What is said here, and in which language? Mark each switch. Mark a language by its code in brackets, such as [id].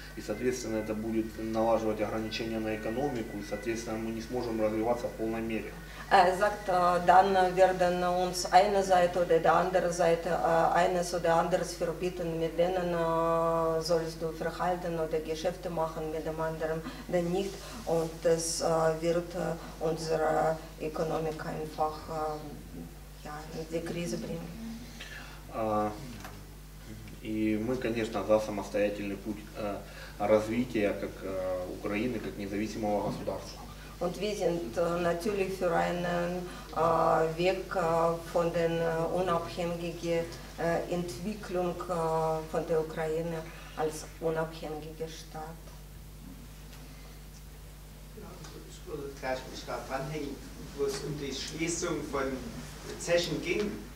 [ru] И, соответственно, это будет налаживать ограничения на экономику, и, соответственно, мы не сможем развиваться в полной мере. [de] Er sagt, dann werden uns eine Seite oder die andere Seite eines oder anderes verbieten, mit denen sollst du verhalten oder Geschäfte machen, mit dem anderen dann nicht. Und das wird unsere Ökonomik einfach in die Krise bringen. [ru] И мы, конечно, за самостоятельный путь развития как Украины, как независимого государства. [de] Und wir sind natürlich für einen Weg von der unabhängigen Entwicklung von der Ukraine als unabhängiger Staat. Ja, ich würde gleich mich dranhängen, wo es um die Schließung von Zechen ging.